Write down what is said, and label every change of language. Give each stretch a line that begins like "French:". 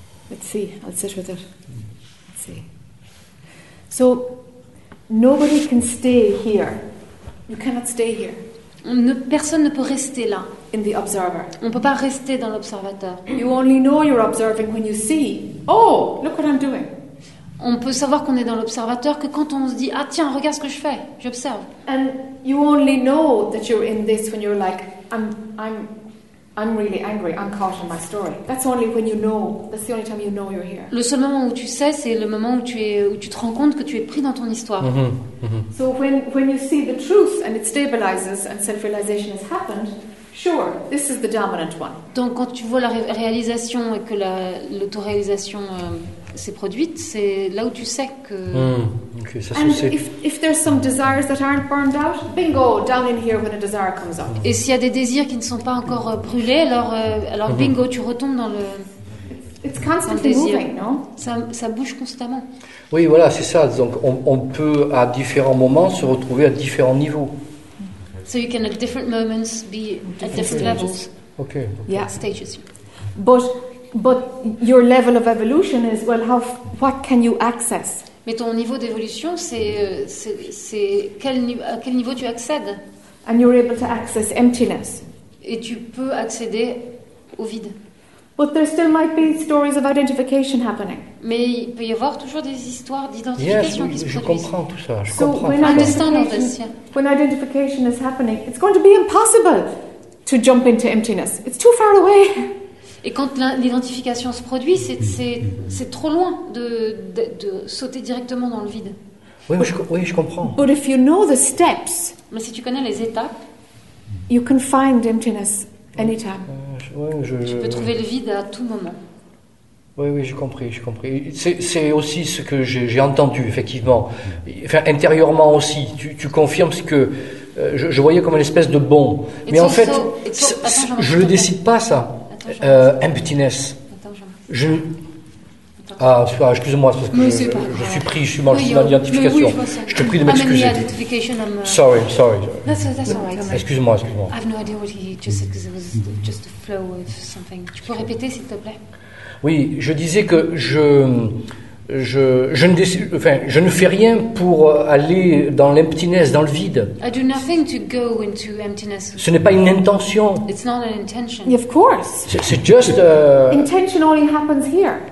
English: Let's see. I'll sit with it. Let's see. So nobody can stay here. You cannot stay here.
French: Personne ne peut rester là.
English: In the observer.
French: On ne peut pas rester dans l'observateur.
English: You only know you're observing when you see. Oh, look what I'm doing.
French: On peut savoir qu'on est dans l'observateur que quand on se dit ah tiens regarde ce que je fais j'observe.
English: And you only know that you're in this when you're like I'm I'm really angry. I'm caught in my story. That's only when you know. That's the only time you know you're here.
French: Le seul moment où tu sais, c'est le moment où tu te rends compte que tu es pris dans ton histoire.
English: So when you see the truth and it stabilizes and self-realization has happened, sure, this is the dominant one.
French: Donc quand tu vois la réalisation et que l'autoréalisation s'est produite, c'est là où tu sais que. Okay, ça
English: and if there's some desires that aren't burned out, bingo, down in here when a desire comes up.
French: Et s'il y a des désirs qui ne sont pas encore brûlés, alors bingo, tu retombes dans le.
English: It's constantly moving, no?
French: Ça bouge constamment. Oui, voilà, c'est ça. Donc on peut à différents moments se retrouver à différents niveaux.
English: So you can at different moments be at different levels. Okay. Yeah, stages. But your level of evolution is well. What can you access?
French: Mais ton niveau d'évolution, c'est à quel niveau tu accèdes?
English: And you're able to access emptiness.
French: Et tu peux accéder au vide.
English: But there still might be stories of identification happening.
French: Mais il peut y avoir toujours des histoires d'identification qui se produisent. Yes, je comprends tout ça. Je
English: so
French: comprends.
English: So when identification is happening, it's going to be impossible to jump into emptiness. It's too far away.
French: Et quand l'identification se produit, c'est trop loin de sauter directement dans le vide. Oui, je comprends.
English: But if you know the steps,
French: mais si tu connais les étapes,
English: you can find emptiness anytime.
French: Tu peux trouver le vide à tout moment. Oui, j'ai compris. C'est aussi ce que j'ai entendu, effectivement. Enfin, intérieurement aussi, tu confirmes ce que je voyais comme une espèce de bond. Mais
English: it's
French: en fait, attends, je ne le décide pas, ça. Emptiness. Attends, excuse-moi, parce que je suis pris, je suis mort, oui, je suis dans l'identification. Oui, je te prie de m'excuser.
English: Sorry. That's alright.
French: Excuse-moi.
English: I have no idea what he just said, because it was just a flow of something.
French: Tu peux répéter, s'il te plaît? Oui, je disais que je ne fais rien pour aller dans l'emptiness, dans le vide.
English: I do nothing to go into emptiness.
French: Ce n'est pas une intention.
English: It's not an intention. Yeah, of course.
French: C'est juste.
English: Intention only happens here.